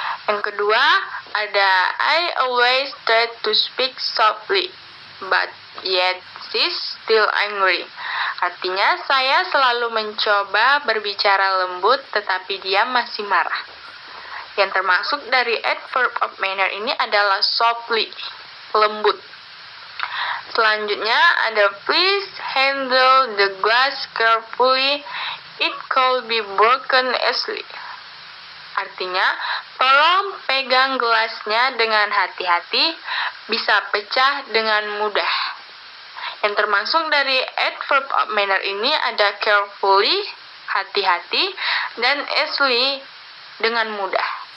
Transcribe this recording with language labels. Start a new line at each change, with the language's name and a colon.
Indonesian: Yang kedua, ada
English: I always try to speak softly, but yet she's still angry.
Indonesian: Artinya, saya selalu mencoba berbicara lembut, tetapi dia masih marah. Yang termasuk dari adverb of manner ini adalah softly, lembut. Selanjutnya, ada
English: please handle the glass carefully, it could be broken easily.
Indonesian: Artinya, tolong pegang gelasnya dengan hati-hati, bisa pecah dengan mudah. Yang termasuk dari adverb of manner ini ada carefully, hati-hati, dan easily, dengan mudah.